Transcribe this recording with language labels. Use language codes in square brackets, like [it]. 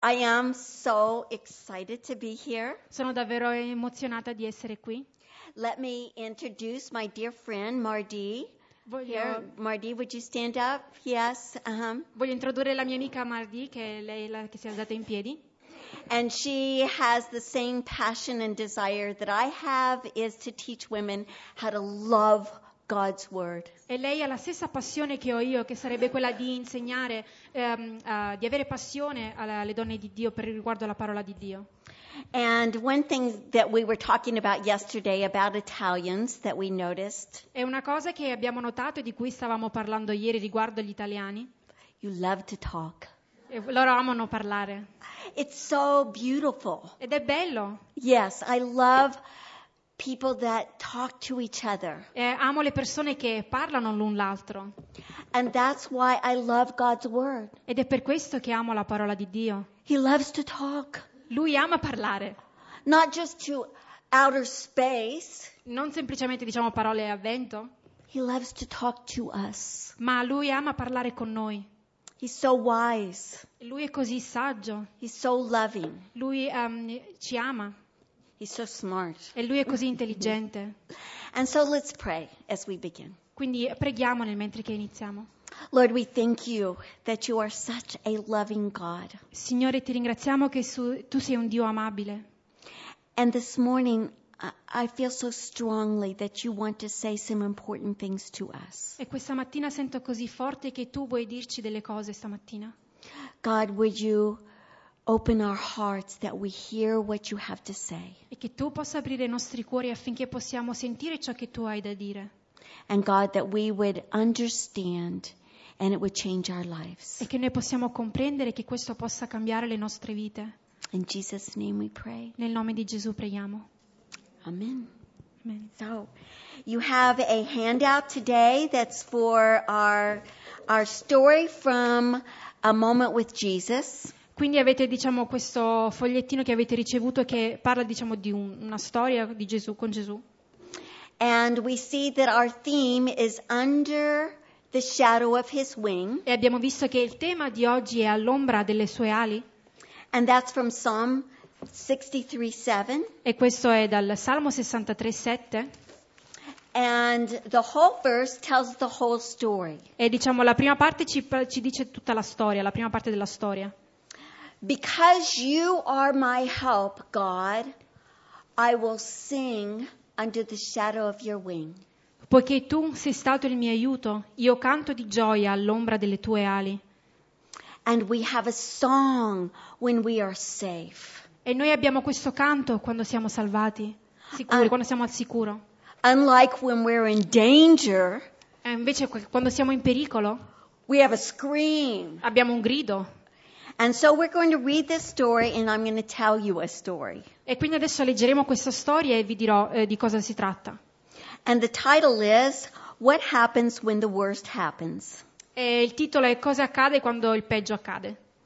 [en] I am so excited to be here. [it] Sono davvero emozionata di essere qui. [en] Let me introduce my dear friend Mardi. Here, Mardi, would you stand up? Yes. [it] Voglio introdurre la mia amica Mardi, che è lei la, che si è alzata in piedi. [en] And she has the same passion and desire that I have, is to teach women how to love God's word. [it] E lei ha la stessa passione che ho io, che sarebbe quella di insegnare, di avere passione alle donne di Dio per riguardo alla parola di Dio. [en] And one thing that we were talking about yesterday about Italians that we noticed. [it] È una cosa che abbiamo notato e di cui stavamo parlando ieri riguardo gli italiani. [en] You love to talk. [it] E loro amano parlare. [en] It's so beautiful. [it] Ed è bello. [en] Yes, I love people that talk to each other. [it] Amo le persone che parlano l'un l'altro. [en] And that's why I love God's word. [it] Ed è per questo che amo la parola di Dio. [en] He loves to talk. [it] Lui ama parlare. [en] Not just to outer space. [it] Non semplicemente diciamo parole a vento. [en] He loves to talk to us. [it] Ma lui ama parlare con noi. [en] He's so wise. [it] Lui è così saggio. [en] He's so loving. [it] Lui ci ama. [en] He's so smart. [it] E lui è così intelligente. [en] And so let's pray as we begin. [it] Quindi preghiamo nel mentre che iniziamo. [en] Lord, we thank you that you are such a loving God. [it] Signore, ti ringraziamo che tu sei un Dio amabile. [en] And this morning I feel so strongly that you want to say some important things to us. [it] E questa mattina sento così forte che tu vuoi dirci delle cose stamattina. [en] God, would you open our hearts that we hear what you have to say. [it] E che tu possa aprire i nostri cuori affinché possiamo sentire ciò che tu hai da dire. [en] And God, that we would understand and it would change our lives. [it] E che noi possiamo comprendere, che questo possa cambiare le nostre vite. [en] In Jesus' name we pray. [it] Nel nome di Gesù preghiamo. [en] Amen. [it] Amen. [en] So, you have a handout today that's for our story from A Moment with Jesus. [it] Quindi avete, diciamo, questo fogliettino che avete ricevuto che parla, diciamo, di una storia di Gesù, con Gesù. [en] And we see that our theme is under the shadow of his wing. [it] E abbiamo visto che il tema di oggi è all'ombra delle sue ali. [en] And that's from Psalm 63:7. [it] E questo è dal Salmo 63:7. [en] And the whole verse tells the whole story. [it] E diciamo la prima parte ci dice tutta la storia, la prima parte della storia. [en] Because you are my help, God, I will sing under the shadow of your wing. [it] Poiché tu sei stato il mio aiuto, io canto di gioia all'ombra delle tue ali. [en] And we have a song when we are safe. [it] E noi abbiamo questo canto quando siamo salvati, sicuri, quando siamo al sicuro. [en] Unlike when we're in danger. [it] E invece quando siamo in pericolo. [en] We have a scream. [it] Abbiamo un grido. [en] And so we're going to read this story and I'm going to tell you a story. [it] E quindi adesso leggeremo questa storia e vi dirò di cosa si tratta. [en] And the title is What Happens When the Worst Happens. [it] E il titolo è Cosa accade quando il peggio accade.